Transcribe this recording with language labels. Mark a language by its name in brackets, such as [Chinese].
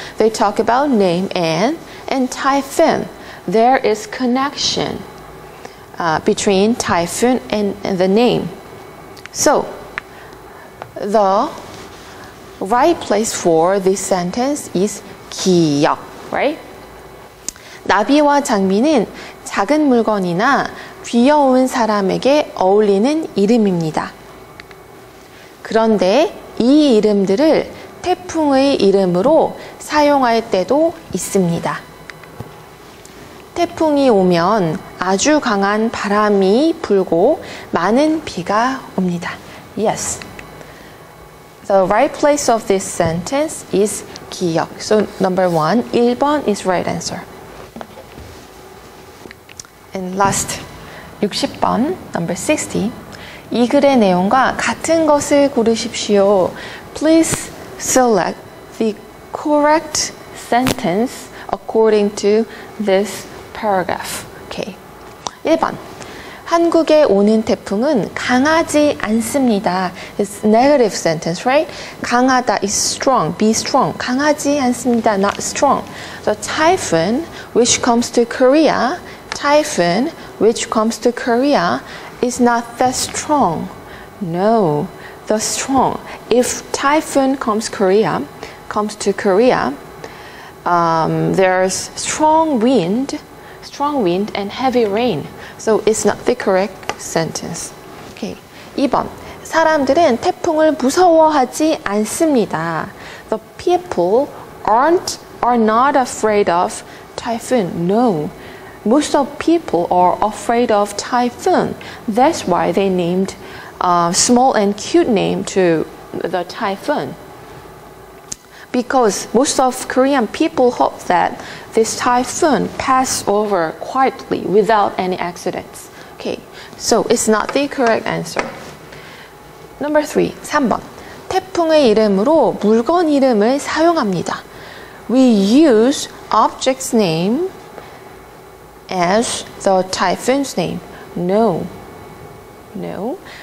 [English] They talk about name and typhoon. There is connection between typhoon and the name. So, the right place for this sentence is 기억, right? [Korean] 나비와 장미는 작은 물건이나 귀여운 사람에게 어울리는 이름입니다. 그런데 이 이름들을 태풍의 이름으로 사용할 때도 있습니다. 태풍이 오면 아주 강한 바람이 불고 많은 비가 옵니다. [English] Yes. The right place of this sentence is 기역. So number one, [Korean] 1번 [English] is right answer. And last, [Korean] 60번, [English] number 60. [Korean] 이 글의 내용과 같은 것을 고르십시오. [English] Please select the correct sentence according to this paragraph. Okay. [Korean] 1번. 한국에 오는 태풍은 강하지 않습니다. [English] It's negative sentence, right? 강하다 is strong, be strong. [Korean] 강하지 않습니다, [English] not strong. The typhoon which comes to Korea, is not that strong. No, the strong. If typhoon comes to Korea, there's strong wind and heavy rain. So it's not the correct sentence. Okay. [Korean] 2번. 사람들은 태풍을 무서워하지 않습니다. [English] The people are not afraid of typhoon. No. Most of people are afraid of typhoon. That's why they named a small and cute name to the typhoon. Because most of Korean people hope that this typhoon pass over quietly without any accidents. Okay, so it's not the correct answer. Number 3, [Korean] 3번. 태풍의 이름으로 물건 이름을 사용합니다. [English] We use object's name as the typhoon's name. No. No.